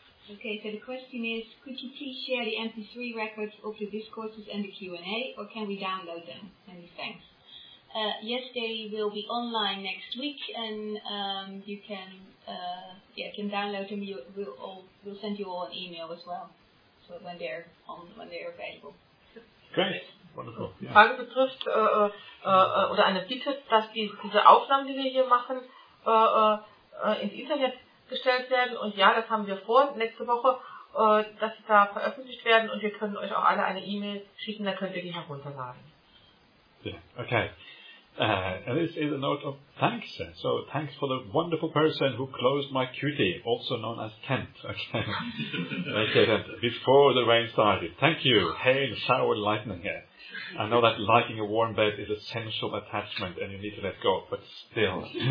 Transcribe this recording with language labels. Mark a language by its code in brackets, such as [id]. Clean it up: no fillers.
[en] Okay, so the question is, could you please share the MP3 records of the discourses and the Q&A, or can we download them? Many thanks. Yes, they will be online next week, and you can download them. We'll send you all an email as well, so when they're available. Great. Wonderful. Yeah. [de] Frage betrifft oder eine Bitte, dass diese Aufnahmen, die wir hier machen, ins Internet gestellt werden. Und ja, das haben wir vor, nächste Woche, dass sie da veröffentlicht werden. Und wir können euch auch alle eine E-Mail schicken, dann könnt ihr die herunterladen. [en] Yeah, okay. This is a note of thanks. So thanks for the wonderful person who closed my cutie, also known as Kent. Okay. Okay, then. Before the rain started. Thank you. Hail, shower, lightning. I know that liking a warm bed is a sensual attachment and you need to let go, but still.